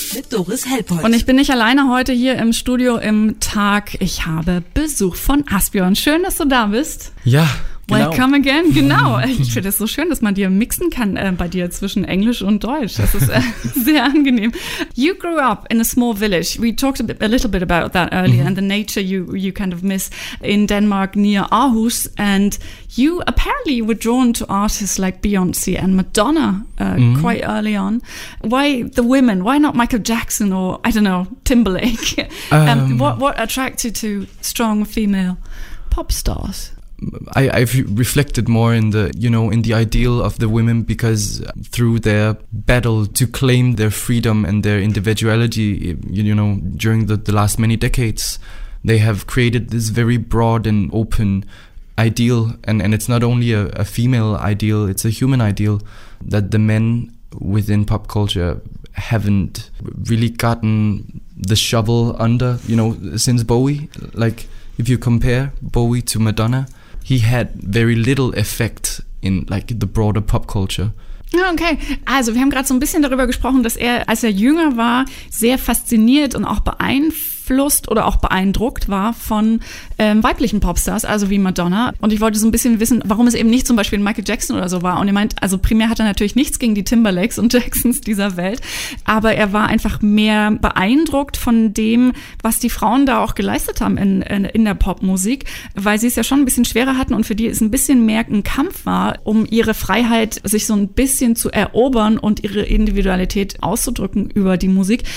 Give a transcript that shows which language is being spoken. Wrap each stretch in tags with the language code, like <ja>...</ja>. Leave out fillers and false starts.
<de>Doris Hellpold. Und ich bin nicht alleine heute hier im Studio im Tag. Ich habe Besuch von Asbjørn. Schön, dass du da bist. Ja, genau.</de> <en>Welcome again.</en> <de>Genau. Ich finde es so schön, dass man dir mixen kann bei dir zwischen Englisch und Deutsch. Das ist sehr angenehm.</de> <en>You grew up in a small village. We talked a little bit about that earlier, mm-hmm. and the nature you kind of miss in Denmark near Aarhus. And you apparently were drawn to artists like Beyoncé and Madonna mm-hmm. quite early on. Why the women? Why not Michael Jackson or, I don't know, Timberlake? What attracted to strong female pop stars? I've reflected more in the, you know, in the ideal of the women, because through their battle to claim their freedom and their individuality, you know, during the last many decades, they have created this very broad and open ideal. And it's not only a female ideal, it's a human ideal that the men within pop culture haven't really gotten the shovel under, you know, since Bowie. Like, if you compare Bowie to Madonna, he had very little effect in, like, the broader pop culture.</en> <de>Okay, also wir haben gerade so ein bisschen darüber gesprochen, dass er, als er jünger war, sehr fasziniert und auch beeinflusst oder auch beeindruckt war von weiblichen Popstars, also wie Madonna. Und ich wollte so ein bisschen wissen, warum es eben nicht zum Beispiel Michael Jackson oder so war. Und er meint, also primär hat er natürlich nichts gegen die Timberlakes und Jacksons dieser Welt, aber er war einfach mehr beeindruckt von dem, was die Frauen da auch geleistet haben in der Popmusik, weil sie es ja schon ein bisschen schwerer hatten und für die es ein bisschen mehr ein Kampf war, um ihre Freiheit sich so ein bisschen zu erobern und ihre Individualität auszudrücken über die Musik.</de>